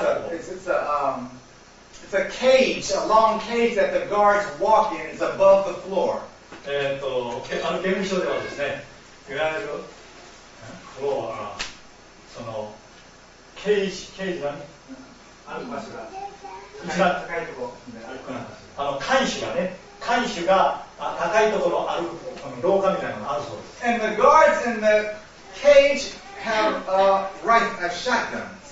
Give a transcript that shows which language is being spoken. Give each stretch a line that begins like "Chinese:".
English: It's a cage, a long cage that the guards walk in. It's above the floor.
Japanese: あの刑務所ではですね、いわゆるフロア、そのケージがね、ある場所が、一番高いところ、あの監守が高いところを歩く、この廊下みたいなのがあるそうです。
English: And the guards in the cage have a rifle, a shotgun.